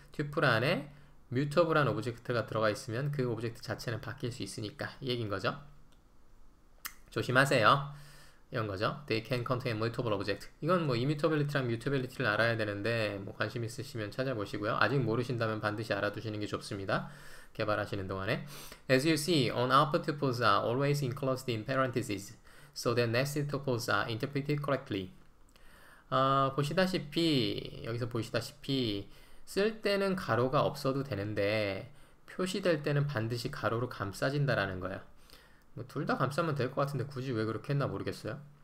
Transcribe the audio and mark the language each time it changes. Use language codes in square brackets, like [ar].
[ko] 튜플 안에 뮤터블한 오브젝트가 들어가 있으면 그 오브젝트 자체는 바뀔 수 있으니까 이 얘긴 거죠. 조심하세요. 이런 거죠. [en] They can contain multiple objects. [ko] 이건 뭐 immutability랑 mutability를 알아야 되는데 뭐 관심 있으시면 찾아보시고요. 아직 모르신다면 반드시 알아두시는 게 좋습니다. 개발하시는 동안에. [en] As you see, unoupped tuples are always enclosed in parentheses, so that nested tuples are interpreted correctly. [ko] 보시다시피 여기서 보시다시피 쓸 때는 가로가 없어도 되는데 표시될 때는 반드시 가로로 감싸진다라는 거예요. 뭐둘다 감싸면 될것 같은데 굳이 왜 그렇게 했나 모르겠어요.